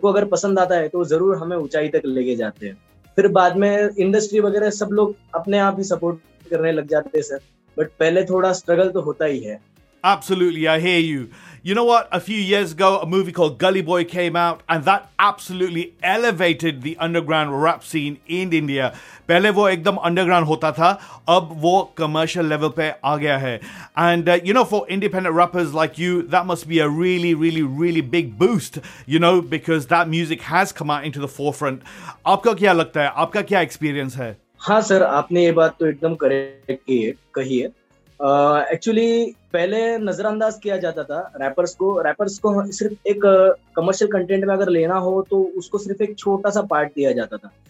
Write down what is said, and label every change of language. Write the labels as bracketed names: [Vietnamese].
[Hindi] फिर बाद में इंडस्ट्री वगैरह सब लोग अपने आप ही सपोर्ट करने लग जाते हैं सर, बट पहले थोड़ा स्ट्रगल तो होता ही है. [English] Absolutely, I hear you. You know what? A few years ago, a movie called Gully Boy came out, and that absolutely elevated the underground rap scene in India. [Hindi] पहले वो एकदम underground होता था, अब वो commercial level पे आ गया है. [English] And you know, for independent rappers like you, that must be a really, really, really big boost. You know, because that music has come out into the forefront. [Hindi] आपका क्या लगता है? आपका क्या experience है? हाँ सर, आपने ये बात तो एकदम correct कही है. एक्चुअली पहले नजरअंदाज किया जाता था रैपर्स को सिर्फ एक कमर्शियल कंटेंट में अगर लेना हो तो उसको सिर्फ एक छोटा सा पार्ट दिया जाता था.